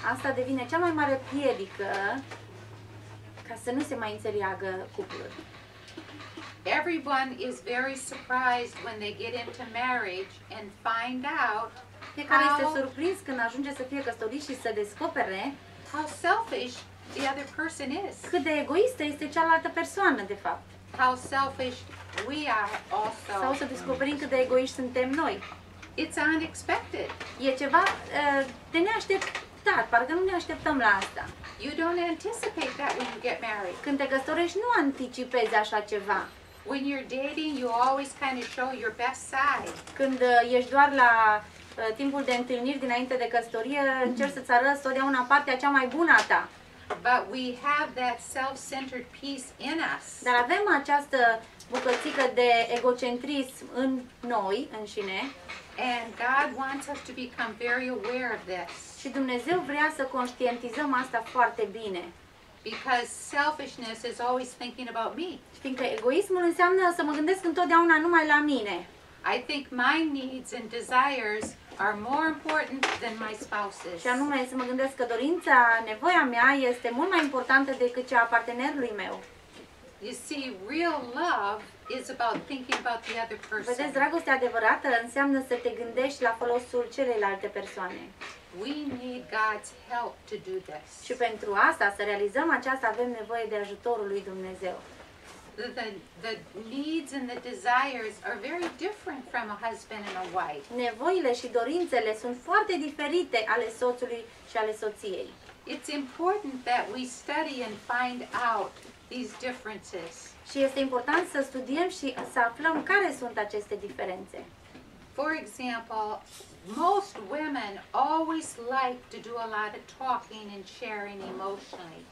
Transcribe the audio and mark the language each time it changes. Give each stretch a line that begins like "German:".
Romanian: Asta devine cea mai mare piedică ca să nu se mai înțeleagă cuplul.
English: Everyone is very surprised when they get into marriage and find out
Romanian: fiecare este surprins când ajunge să fie căsătorit și să descopere
English: how selfish the other person is.
Romanian: Cât de egoistă este cealaltă persoană, de fapt.
English: How selfish we are also.
Romanian: Sau să descoperim cât de egoiști suntem noi.
English: It's unexpected.
Romanian: E ceva de neașteptat, parcă nu ne așteptăm la asta.
English: You don't anticipate that when you get married.
Romanian: Când te căsătorești, nu anticipezi așa ceva.
English: When you're dating, you always kind of show your best side.
Romanian: Când ești doar la timpul de întâlniri dinainte de căsătorie, încerci să-ți arăți totdeauna partea cea mai bună a ta.
English: But we have that self-centered piece in us.
Romanian: Dar avem această bucățică de egocentrism în noi, înșine.
English: And God wants us to become very aware of this.
Romanian: Și Dumnezeu vrea să conștientizăm asta foarte bine.
English: Because selfishness is always thinking about me.
Romanian: Fiindcă egoismul înseamnă să mă gândesc întotdeauna numai la mine.
English: I think my needs and desires are more important than my spouse's.
Romanian: Și anume să mă gândesc că dorința, nevoia mea este mult mai importantă decât cea a partenerului meu.
English: You see, real love is about thinking about the other person.
Romanian: Vedeți, dragostea adevărată înseamnă să te gândești la folosul celelalte persoane.
English: We need God's help to do this.
Romanian: Și pentru asta, să realizăm aceasta, avem nevoie de ajutorul lui Dumnezeu.
English: The needs and the desires are very different from a husband and a wife.
Romanian: Nevoile și dorințele sunt foarte diferite ale soțului și ale soției.
English: It's important that we study and find out these differences.
Romanian: Și este important să studiem și să aflăm care sunt aceste diferențe.
English: For example, most women always like to do a lot of talking and sharing emotionally.